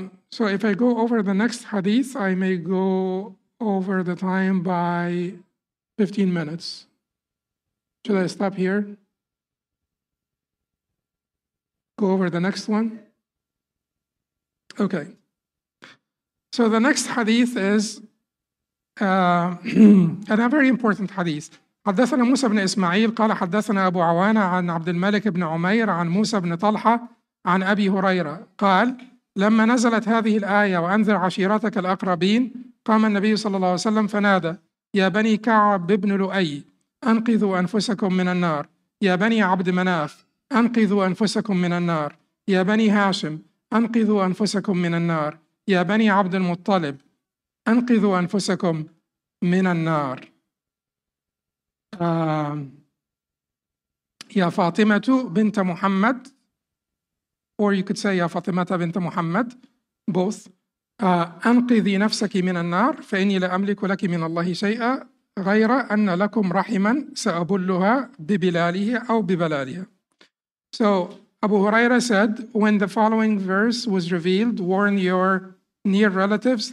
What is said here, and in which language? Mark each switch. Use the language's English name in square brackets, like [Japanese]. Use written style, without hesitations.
[English] So if I go over the next hadith, I may go over the time by 15 minutes. Should I stop here? Go over the next one? Okay. So the next hadith is and a very important hadith. [Arabic] حدثنا موسى بن إسماعيل قال حدثنا أبو عوانة عن عبد الملك بن عمير عن موسى بن طلحة عن أبي هريرة قال لما نزلت هذه الآية وأنذر عشيرتك الأقربين قام النبي صلى الله عليه وسلم فنادى يا بني كعب بن لؤي أنقذوا أنفسكم من النار يا بني عبد مناف أنقذوا أنفسكم من النار يا بني هاشم أنقذوا أنفسكم من النار يا بني عبد المطلب أنقذوا أنفسكم من النار يا فاطمة بنت محمد [English] or you could say [Arabic] يا فاطمة بنت محمد [English] both [Arabic] أنقذي نفسك من النار فإني لا أملك لك من الله شيئا غير أن لكم رحما سأبلها ببلاله أو ببلالها. [English] So Abu Huraira said, when the following verse was revealed, warn your near relatives.